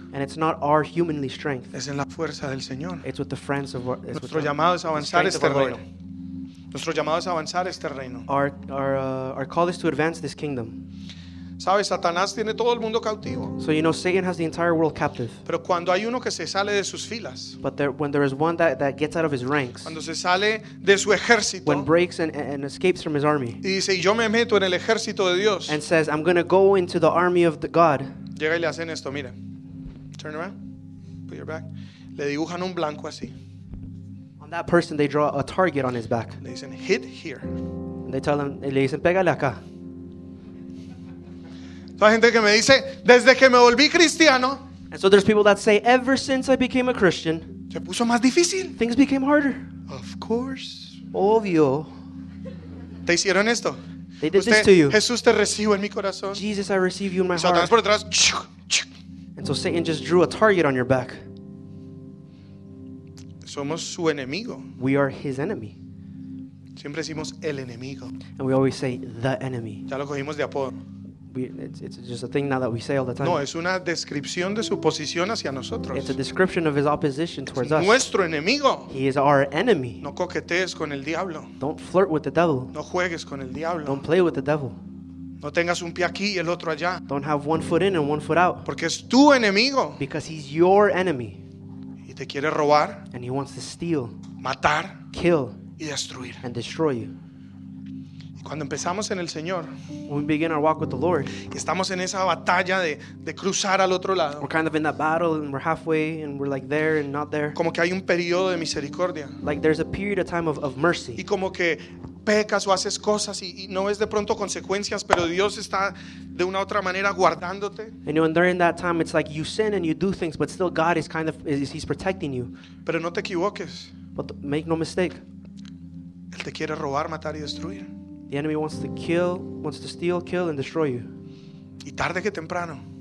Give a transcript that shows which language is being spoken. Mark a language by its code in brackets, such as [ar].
[en] And it's not our humanly strength. [es] Es en la fuerza del Señor. [en] It's with the friends of our. [es] Nuestro our, llamado es avanzar este reino. Nuestro llamado es avanzar este reino. [en] Our call is to advance this kingdom. [es] Sabes, Satanás tiene todo el mundo cautivo. [en] So you know, Satan has the entire world captive. [es] Pero cuando hay uno que se sale de sus filas. [en] But when there is one that gets out of his ranks. [es] Cuando se sale de su ejército. [en] When breaks and escapes from his army. [es] Y dice, yo me meto en el ejército de Dios. [en] And says, I'm going to go into the army of the God. [es] Llega y le hacen esto, mira. [en] Turn around. Put your back. [es] Le dibujan un blanco así. [en] On that person, they draw a target on his back. They say, hit here. And they tell him, [es] le dicen, pégale acá. Toda gente que me dice, desde que me volví cristiano. [en] And so there's people that say, ever since I became a Christian. [es] Se puso más difícil. [en] Things became harder. Of course. [es] Obvio. Te hicieron esto. [en] They did this to you. [es] Jesús, te recibo en mi corazón. [en] Jesus, I receive you in my heart. [es] Satanás por detrás. [en] And so Satan just drew a target on your back. [es] Somos su enemigo. [en] We are his enemy. [es] Siempre decimos el enemigo. [en] And we always say the enemy. [es] Ya lo cogimos de apodo. [en] It's just a thing now that we say all the time. [es] No, es una descripción de su posición hacia nosotros. [en] It's a description of his opposition towards us. [es] Nuestro enemigo. [en] He is our enemy. [es] No coquetees con el diablo. [en] Don't flirt with the devil. [es] No juegues con el diablo. [en] Don't play with the devil. [es] No tengas un pie aquí y el otro allá. [en] Don't have one foot in and one foot out. [es] Porque es tu enemigo. [en] Because he's your enemy. [es] Y te quiere robar. [en] And he wants to steal. [es] Matar. [en] Kill. [es] Y destruir. [en] And destroy you. [es] Cuando empezamos en el Señor, [en] we begin our walk with the Lord, [es] que estamos en esa batalla de cruzar al otro lado, [en] we're kind of in that battle and we're halfway and we're like there and not there, [es] como que hay un periodo de misericordia, [en] like there's a period of time of mercy, [es] y como que pecas o haces cosas y no ves de pronto consecuencias, pero Dios está de una otra manera guardándote, [en] and, you know, and during that time it's like you sin and you do things, but still God is kind of he's protecting you. [es] Pero no te equivoques, [en] but make no mistake, [es] Él te quiere robar, matar y destruir. [en] The enemy wants to kill, wants to steal, kill, and destroy you. [es] Y tarde que temprano,